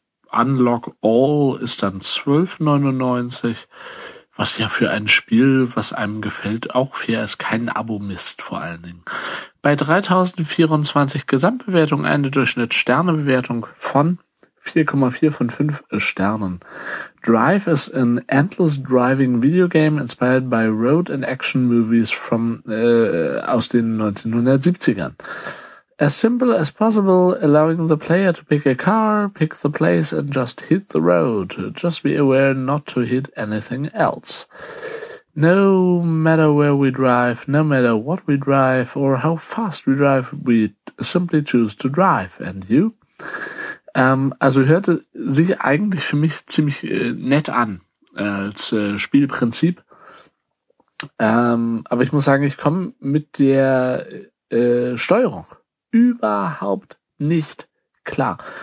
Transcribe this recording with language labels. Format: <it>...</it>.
<de>Unlock All ist dann 12,99, was ja für ein Spiel, was einem gefällt, auch fair ist. Kein Abo-Mist vor allen Dingen. Bei 3024 Gesamtbewertung eine Durchschnitt-Sterne-Bewertung von 4,4 von 5 Sternen.</de> <en>Drive is an endless driving video game inspired by road and action movies from</en> <de>aus den 1970ern.</de> <en>As simple as possible, allowing the player to pick a car, pick the place and just hit the road. Just be aware not to hit anything else. No matter where we drive, no matter what we drive or how fast we drive, we simply choose to drive. And you?</en> <de>Also hörte sich eigentlich für mich ziemlich nett an als Spielprinzip. Aber ich muss sagen, ich komme mit der Steuerung überhaupt nicht klar.</de>